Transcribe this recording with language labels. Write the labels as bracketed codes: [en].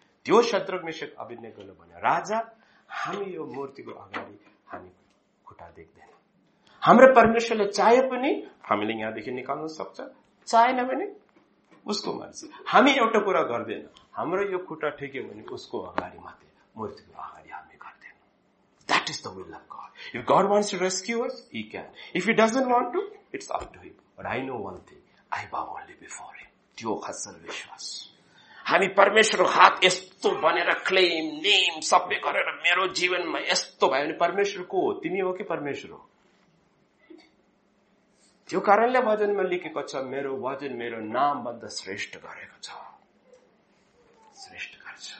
[ne] त्यो शत्रुघ्न मेशेक अभिनेगोले भन्यो, राजा हामी यो मूर्तिको अगाडि हामी खुट्टा देख्दैन। हाम्रो परमेश्वरले चाहे पनि हामीले यहाँदेखि निकाल्न सक्छ, चाहेन भने उसको मर्जी। हामी एउटा कुरा गर्दैन, हाम्रो यो खुट्टा ठिक्यो भने उसको अगाडि मात्रै, मूर्तिको अगाडि हामी गर्दैन। [en] That is the will of God. If God wants to rescue us, he can. If he doesn't want to, it's up to him. But I know one thing, I bow only before him. [ne] त्यो असल विश्वास। हामी परमेश्वरको हात यस्तो भनेर claim name सबै गरेर मेरो जीवनमा यस्तो भयो भने परमेश्वर को हो? तिमी हो कि परमेश्वर हो? त्यो कारणले भजनमा लेखेको छ, मेरो वचन मेरो नामभन्दा श्रेष्ठ गरेको छ, श्रेष्ठ गर्छ।